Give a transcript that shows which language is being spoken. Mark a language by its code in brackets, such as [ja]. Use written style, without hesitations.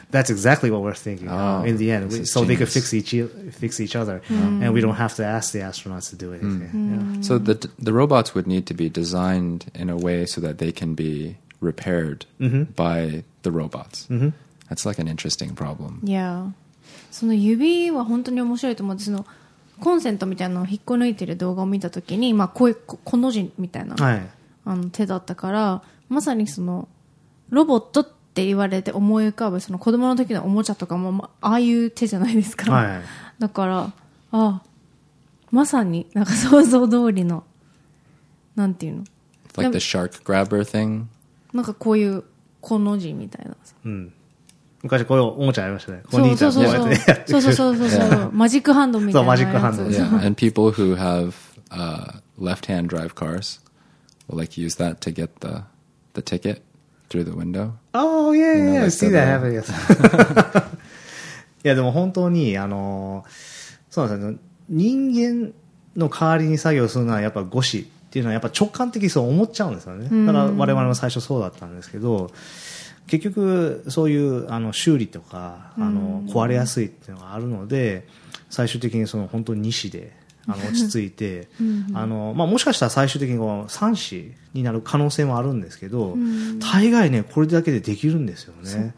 [en] That's exactly what we're thinking in the end. So they could fix each other, and we don't have to ask the astronauts to do anything. Mm. Yeah. So the robots would need to be designed in a way so that they can be repaired by the robots. Mm-hmm. That's like an interesting problem. Yeah. [ja] その指は本当に面白いと思う。そのコンセントみたいなのを引っこ抜いてる動画を見たときに、まあこういうこの字みたいな、はい、あの手だったから、まさにそのロボットって言われて思い浮かぶその子供の時のおもちゃとかも、まあ、ああいう手じゃないですか。はい、だから、ああ、まさになんか想像通りの、なんていうの。 [en] Like the shark grabber thing? [ja] なんかこういうこの字みたいな、うん、昔こういうおもちゃありましたね。こう兄ちゃんこうやってそうそうそうそうマジックハンドみたいな。そうマジックハンド。 [en] Yeah. And people who have left-hand drive cars will like use that to get the ticket through the window. Oh yeah, you know, yeah, like, see that happen. Yes. [ja] いやでも本当にあのそうなんですよ。人間の代わりに作業するのはやっぱ五指っていうのはやっぱ直感的にそう思っちゃうんですよね。だから我々も最初そうだったんですけど、結局そういうあの修理とかあの壊れやすいっていうのがあるので、最終的にその本当に2指であの落ち着いてあの、まあ、もしかしたら最終的にこう3指になる可能性もあるんですけど、大概ねこれだけでできるんですよね。